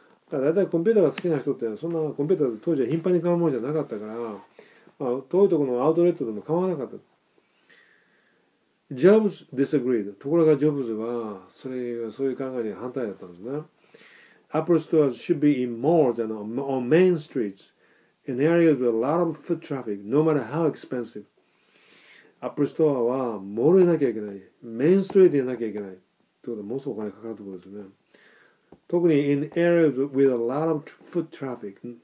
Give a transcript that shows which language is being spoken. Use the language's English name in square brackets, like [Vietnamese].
[Japanese] だから大体コンピューターが好きな人ってそんなコンピューター当時は頻繁に買うものじゃなかったから、まあ遠いところのアウトレットでも買わなかった。 [English] ジョブズ disagreed。 [Japanese] ところがジョブズはそれそういう考えに反対だったんですね。 [English] Apple stores should be in malls and on main streets in areas with a lot of foot traffic no matter how expensive。 [Japanese] アップルストアはモールでなきゃいけない、メインストリートでなきゃいけないってことは、ものすごくお金かかるところですね。特に [English] in areas with a lot of foot traffic。